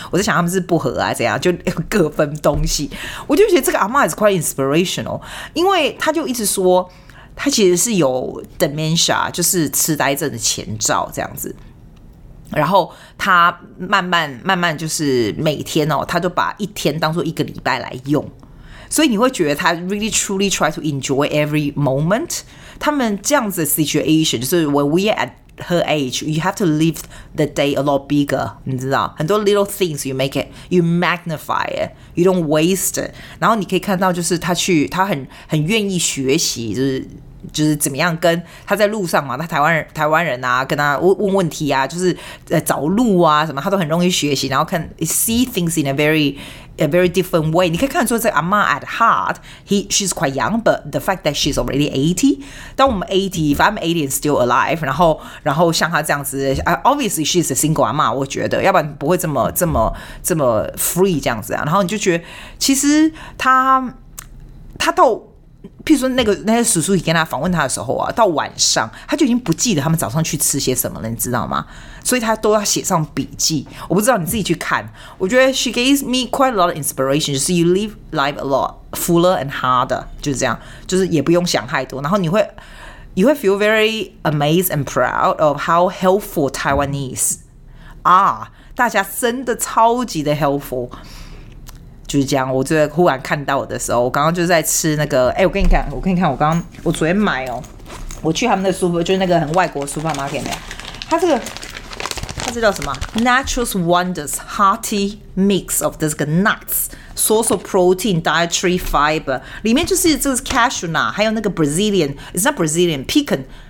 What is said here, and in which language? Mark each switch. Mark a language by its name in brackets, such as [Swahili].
[Chinese] 我在想他们是不合啊，怎样就各分东西。我就觉得这个阿嬷 [English] is quite inspirational， [Chinese] 因为他就一直说他其实是有 dementia， 就是痴呆症的前兆这样子。然后他慢慢慢慢就是每天哦，他就把一天当做一个礼拜来用。所以你会觉得他 [English] really truly try to enjoy every moment。他们这样子的 situation 就是 when we are at her age you have to live the day a lot bigger， [Chinese] 你知道很多 [English] little things you make it you magnify it you don't waste it。 [Chinese] 然后你可以看到就是他很愿意学习，就是怎么样跟他在路上嘛，他台湾人啊跟他问问题啊，就是找路啊什么，他都很容易学习，然后看 see things in a very different way。你可以看出这个阿嬷 [English] at heart she's quite young， but the fact that she's already 80， 当我们 80， if I'm 80 and still alive， [Chinese] 然后像她这样子， [English] obviously she's a single 阿嬷， [Chinese] 我觉得要不然不会这么 [English] free 这样子啊。 [Chinese] 然后你就觉得其实她到譬如说那些叔叔跟他访问他的时候啊，到晚上他就已经不记得他们早上去吃些什么了，你知道吗？所以他都要写上笔记。我不知道你自己去看，我觉得 [English] she gives me quite a lot of inspiration， [Chinese] 就是 [English] you live life a lot fuller and harder， [Chinese] 就是这样，就是也不用想太多，然后你会 [English] feel very amazed and proud of how helpful Taiwanese are， [Chinese] 大家真的超级的 helpful。就是这样，我就忽然看到我的时候，我刚刚就在吃那个，哎，我给你看，我昨天买哦，我去他们的 super， 就是那个很外国 supermarket 的，它叫什么 ？Nature's Wonders Hearty Mix of this nuts, source of protein, dietary fiber， 里面就是这个 cashew nut， 还有那个 Brazilian， [English] it's not Brazilian pecan。